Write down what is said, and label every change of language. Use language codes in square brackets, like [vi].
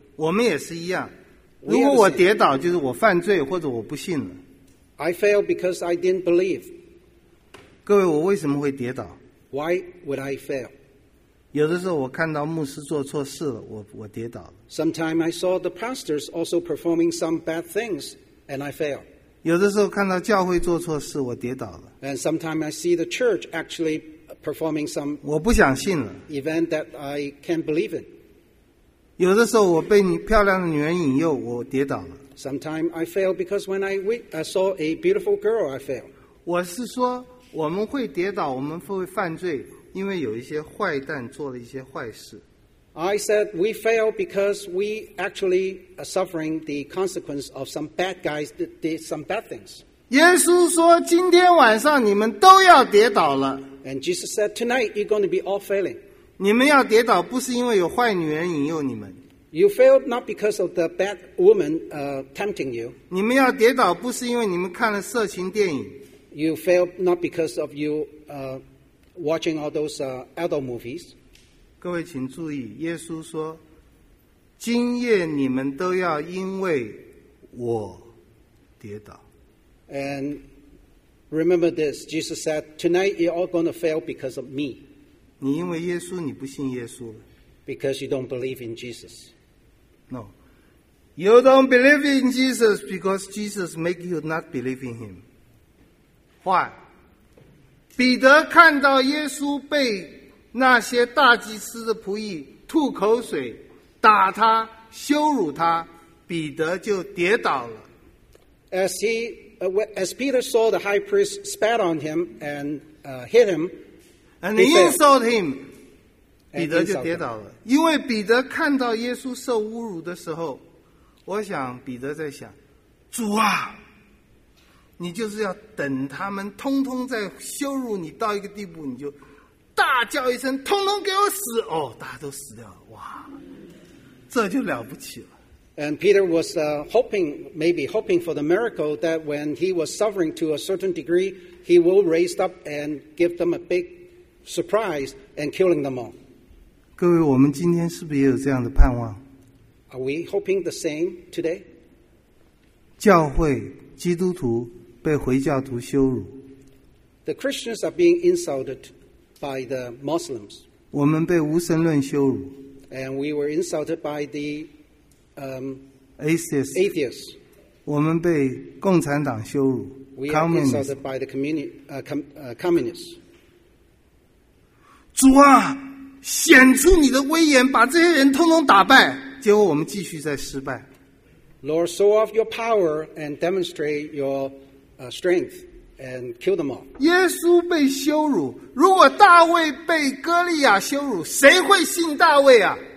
[zh] 我们也是一样。如果我跌倒，就是我犯罪或者我不信了。 [en] I fail because I didn't believe. [zh] 各位，我为什么会跌倒 [en] ？Why would I fail? [zh] 有的时候我看到牧师做错事了，我跌倒了。 [en] Sometimes I saw the pastors also performing some bad things, and I fail. [zh] 有的时候看到教会做错事，我跌倒了。 [en] And sometimes I see the church actually performing some. [zh] 我不想信了。 [en] Event that I can't believe in. [zh] 有的时候我被漂亮的女人引诱，我跌倒了。 [en] Sometimes I fail because when I saw a beautiful girl, I fail. [zh] 我是说，我们会跌倒，我们会犯罪，因为有一些坏蛋做了一些坏事。 [en] I said we fail because we actually are suffering the consequence of some bad guys that did some bad things. [zh] 耶稣说今天晚上你们都要跌倒了。 [en] And Jesus said tonight you're going to be all failing. [zh] 你们要跌倒不是因为有坏女人引诱你们。 [en] You failed not because of the bad woman tempting you. [zh] 你们要跌倒不是因为你们看了色情电影。 [en] You failed not because of you watching all those adult movies. [zh] 各位请注意，耶稣说：“今夜你们都要因为我跌倒。” [en] And remember this, Jesus said, "Tonight you're all going to fail because of me." [zh] 你因为耶稣，你不信耶稣了。 [en] Because you don't believe in Jesus. No, you don't believe in Jesus because Jesus make you not believe in him. Why? [zh] 彼得看到耶稣被那些大祭司的仆役吐口水打他羞辱他，彼得就跌倒了。 [en] As Peter saw the high priest spat on him and hit him and insult him, [zh] 彼得就跌倒了。因为彼得看到耶稣受侮辱的时候，我想彼得在想，主啊，你就是要等他们通通在羞辱你到一个地步，你就大叫一声，通通给我死！哦，大家都死掉了，哇，这就了不起了。 [en] And Peter was hoping for the miracle that when he was suffering to a certain degree, he will raise up and give them a big surprise and killing them all. [zh] 各位，我们今天是不是也有这样的盼望 [en] ？Are we hoping the same today? [zh] 教会基督徒被回教徒羞辱。 [en] The Christians are being insulted. By the Muslims. [zh] 我们被无神论羞辱。 [en] And we were insulted by the atheists. [zh] 我们被共产党羞辱。 [en] We were insulted by the communists. [zh] 主啊，显出你的威严，把这些人通通打败。结果我们继续在失败。 [en] Lord, show off your power and demonstrate your strength and kill them all. [zh] 耶稣被羞辱, 如果大卫被哥利亚羞辱, 谁会信大卫啊?